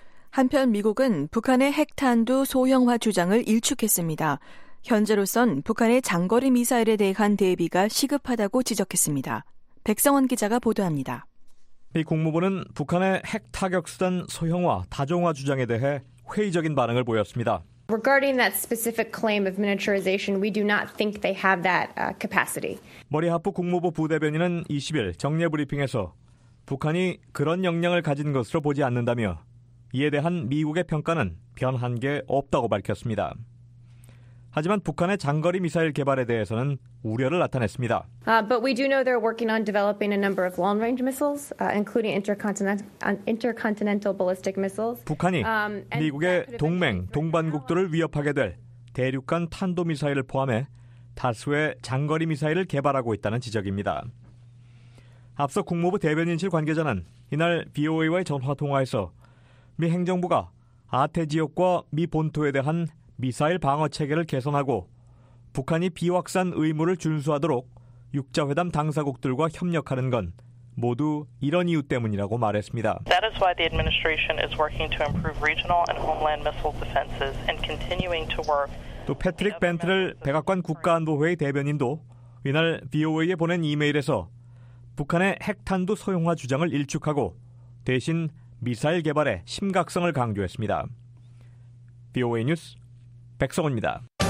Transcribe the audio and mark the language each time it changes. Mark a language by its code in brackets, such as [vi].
[ko] 한편 미국은 북한의 핵탄두 소형화 주장을 일축했습니다. 현재로선 북한의 장거리 미사일에 대한 대비가 시급하다고 지적했습니다. 백성원 기자가 보도합니다. 미 국무부는 북한의 핵타격수단 소형화, 다중화 주장에 대해 회의적인 반응을 보였습니다. [en] Regarding that specific claim of miniaturization, we do not think they have that capacity. [ko] 머리 하프 국무부 부대변인은 20일 정례 브리핑에서 북한이 그런 역량을 가진 것으로 보지 않는다며 이에 대한 미국의 평가는 변한 게 없다고 밝혔습니다. 하지만 북한의 장거리 미사일 개발에 대해서는 우려를 나타냈습니다. [en] But we do know they're working on developing a number of long-range missiles, including intercontinental ballistic missiles. [ko] 북한이 미국의 동맹, 동반국들을 위협하게 될 대륙간 탄도미사일을 포함해 다수의 장거리 미사일을 개발하고 있다는 지적입니다. 앞서 국무부 대변인실 관계자는 이날 BOA와의 전화통화에서 미 행정부가 아태 지역과 미 본토에 대한 미사일 방어 체계를 개선하고 북한이 비확산 의무를 준수하도록 6자회담 당사국들과 협력하는 건 모두 이런 이유 때문이라고 말했습니다. [en] That is why the administration is working to improve regional and homeland missile defenses and continuing to work. [ko] 또 패트릭 벤트를 백악관 국가안보회의 대변인도 이날 BOA에 보낸 이메일에서 북한의 핵탄두 소형화 주장을 일축하고 대신 미사일 개발의 심각성을 강조했습니다. BOA 뉴스 백성원입니다.